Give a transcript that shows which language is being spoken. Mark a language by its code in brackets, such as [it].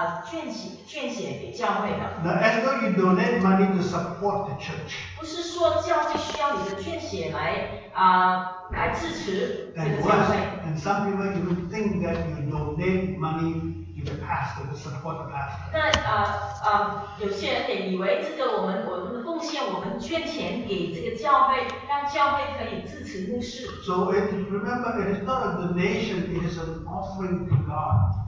[zh] 这个奉献不是一个捐血给教会的。 [en] Now, as though you donate money to support the church. [zh] 不是说教会需要你的捐血来支持这个教会。 [en] And some people even think that you donate money to the pastor to support the pastor. [zh] 但有些人以为这个我们奉献我们捐钱给这个教会，让教会可以支持牧师。 [en] So it, remember, it is not a donation; it is an offering to God.